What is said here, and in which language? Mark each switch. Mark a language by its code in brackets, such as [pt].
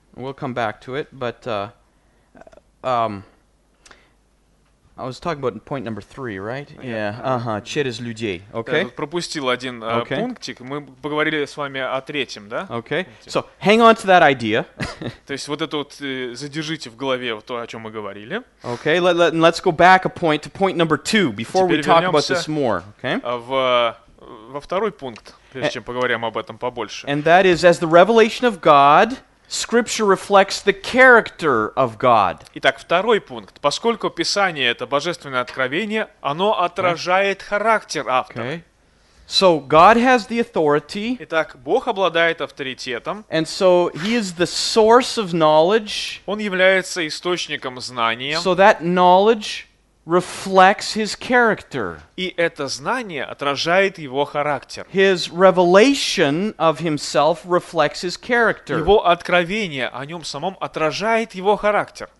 [en] We'll come back to it, but I was talking about point number three, right? Yeah. Uh-huh. [ru] Через людей. [en] Okay. [ru] Я тут пропустил один пунктик. Мы поговорили с вами о третьем, да? [en] Okay. So hang on to that idea. [ru] То есть вот это вот задержите в голове то, о чем мы говорили. [en] Okay. Let's go back a point to point number two before we talk about this more. Okay. [ru] Во второй пункт. Прежде чем поговорим об этом побольше. [en] And that is, as the revelation of God, Scripture reflects the character of God. [ru] Итак, второй пункт. Поскольку Писание — это божественное откровение, оно отражает характер автора. [en] Okay. So God has the authority. [ru] Итак, Бог обладает авторитетом. [en] And so He is the source of knowledge. [ru] Он является источником знания. [en] So that knowledge reflects his character. [ru] И это знание отражает его характер. [en] His revelation of himself reflects his character. [ru] Его откровение о нем самом отражает его характер.